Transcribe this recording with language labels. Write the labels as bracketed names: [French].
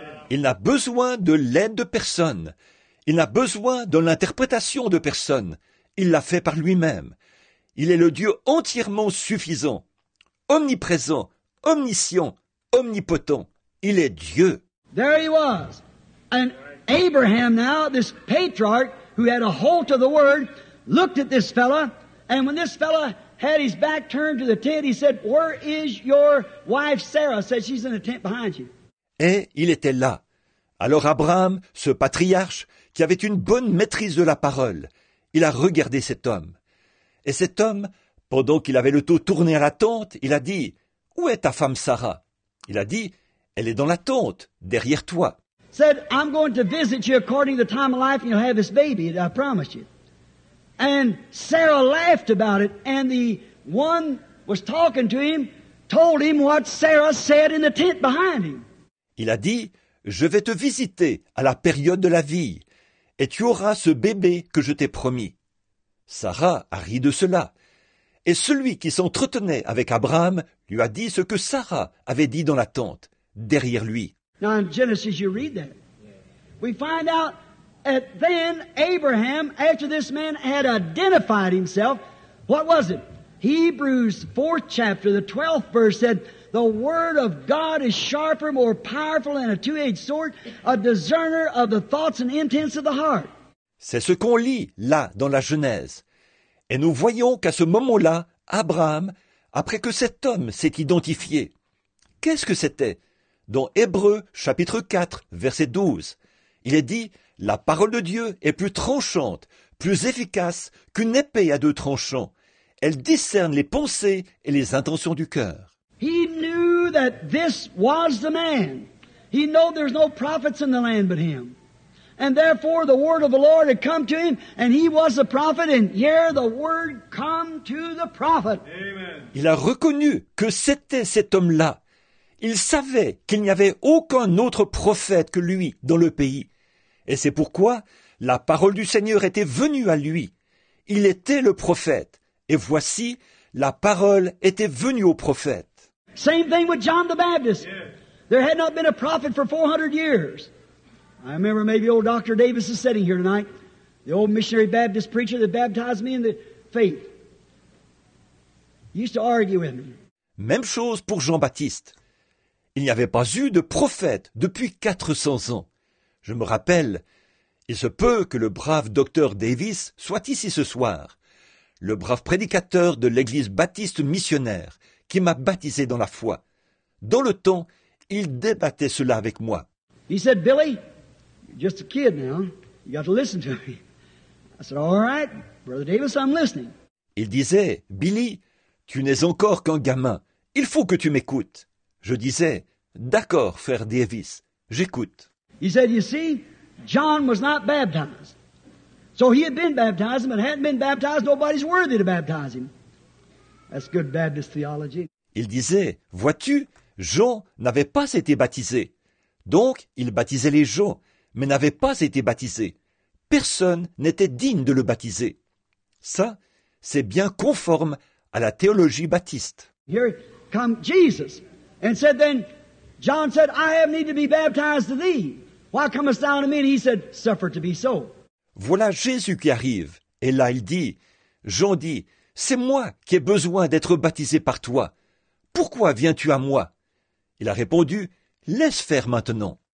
[French] Il n'a besoin de l'aide de personne. Il n'a besoin de l'interprétation de personne. Il l'a fait par lui-même. Il est le Dieu entièrement suffisant. Omniprésent, omniscient, omnipotent. Il est Dieu. [English] There he was. And Abraham now, this patriarch who had a hold to the word, looked at this fella, and when this fella had his back turned to the tent, he said, "Where is your wife Sarah?" Said, "She's in the tent behind you." [French] Et il était là. Alors Abraham, ce patriarche, qui avait une bonne maîtrise de la parole, il a regardé cet homme. Et cet homme, pendant qu'il avait le dos tourné à la tente, il a dit, « Où est ta femme Sarah ?» Il a dit, « Elle est dans la tente, derrière toi. » [English] Said, I'm going to visit you according to the time of life and you'll have this baby, I promise you. And Sarah laughed about it and the one was talking to him, told him what Sarah said in the tent behind him. [French] Il a dit, je vais te visiter à la période de la vie et tu auras ce bébé que je t'ai promis. Sarah a ri de cela. Et celui qui s'entretenait avec Abraham lui a dit ce que Sarah avait dit dans la tente, derrière lui. [English] Now in Genesis you read that. We find out that then Abraham, after this man had identified himself, what was it? Hebrews 4th chapter, the 12th verse said, the word of God is sharper, more powerful than a two-edged sword, a discerner of the thoughts and intents of the heart. [French] C'est ce qu'on lit là dans la Genèse. Et nous voyons qu'à ce moment-là, Abraham, après que cet homme s'est identifié, qu'est-ce que c'était ? Dans Hébreux, chapitre 4, verset 12, il est dit, « La parole de Dieu est plus tranchante, plus efficace qu'une épée à deux tranchants. Elle discerne les pensées et les intentions du cœur. » [English] He knew that this was the man. He knew there's no prophets in the land but him. And therefore the word of the Lord had come to him, and he was a prophet, and here the word come to the prophet. Amen. [French] Il a reconnu que c'était cet homme-là. Il savait qu'il n'y avait aucun autre prophète que lui dans le pays. Et c'est pourquoi la parole du Seigneur était venue à lui. Il était le prophète. Et voici, la parole était venue au prophète. [English] Same thing with John the Baptist. Yes. There had not been a prophet for 400 years. I remember maybe old Dr. Davis is sitting here tonight, the old missionary Baptist preacher that baptized me in the faith. He used to argue with me. [French] Même chose pour Jean-Baptiste. Il n'y avait pas eu de prophète depuis 400 ans. Je me rappelle, il se peut que le brave docteur Davis soit ici ce soir, le brave prédicateur de l'église baptiste missionnaire qui m'a baptisé dans la foi. Dans le temps, il débattait cela avec moi. [English] He said, Billy, you're just a kid now. You got to listen to me. I said, all right, Brother Davis, I'm listening. [French] Il disait, Billy, tu n'es encore qu'un gamin. Il faut que tu m'écoutes. Je disais, d'accord, frère Davis, j'écoute. [English] He said, you see, John was not baptized. So he had been baptized, but hadn't been baptized, nobody's worthy to baptize him. That's good Baptist theology. [French] Il disait, vois-tu, Jean n'avait pas été baptisé. Donc, il baptisait les gens, mais n'avait pas été baptisé. Personne n'était digne de le baptiser. Ça, c'est bien conforme à la théologie baptiste. [English] Here comes Jesus. And said then, John said, I have need to be baptized to thee. Why comest thou to me? And he said, suffer to be so. [French] Voilà Jésus qui arrive. Et là, il dit, Jean dit, c'est moi qui ai besoin d'être baptisé par toi. Pourquoi viens-tu à moi? Il a répondu, laisse faire maintenant.